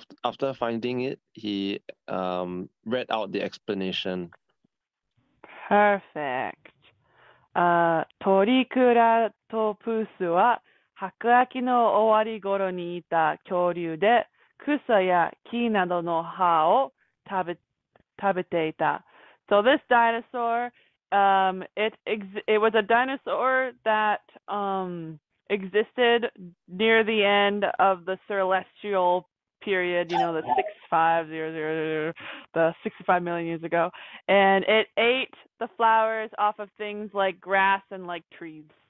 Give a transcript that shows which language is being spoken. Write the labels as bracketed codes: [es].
[en] After finding it, he read out the explanation. Perfect. [ja] トリクラトプスは白亜紀の終わり頃にいた恐竜で、草や木などの葉を食べていた。 [en] So this dinosaur, it was a dinosaur that existed near the end of the celestial period, you know, the 65 million years ago, and it ate the flowers off of things like grass and like trees.